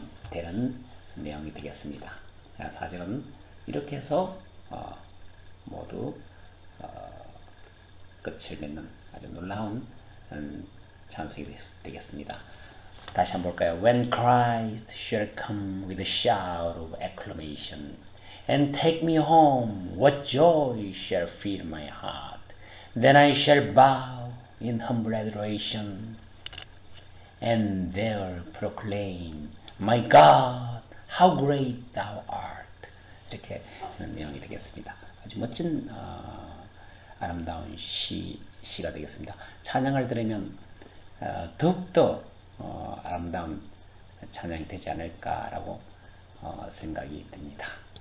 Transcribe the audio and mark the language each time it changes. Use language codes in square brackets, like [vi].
[ko] 되는 내용이 되겠습니다 사실은 이렇게 해서 모두 끝을 맺는 아주 놀라운 찬송이 되겠습니다. 다시 한번 볼까요? [en] When Christ shall come with a shout of acclamation and take me home, what joy shall fill my heart? Then I shall bow in humble adoration and there proclaim, My God, How great thou art. [ko] 이렇게 하는 내용이 되겠습니다. 아주 멋진, 아름다운 시가 되겠습니다. 찬양을 들으면, 더욱더, 아름다운 찬양이 되지 않을까라고, 생각이 듭니다.